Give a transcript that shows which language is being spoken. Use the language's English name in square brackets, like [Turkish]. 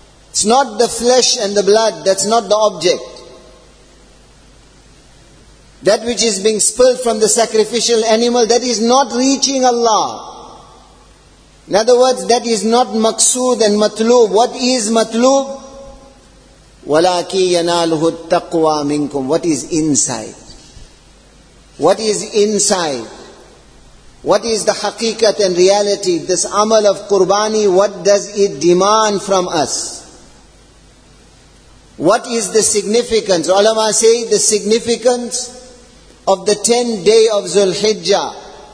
[English] It's not the flesh and the blood. That's not the object. That which is being spilled from the sacrificial animal, that is not reaching Allah. In other words, that is not maqsood and matloob. What is matloob? [Arabic] وَلَاكِ يَنَالُهُ التَّقْوَى مِنْكُمْ [English] What is inside? What is inside? What is the haqiqat and reality? This amal of qurbani, what does it demand from us? What is the significance? Ulama say the significance of the 10th day of Zulhijjah.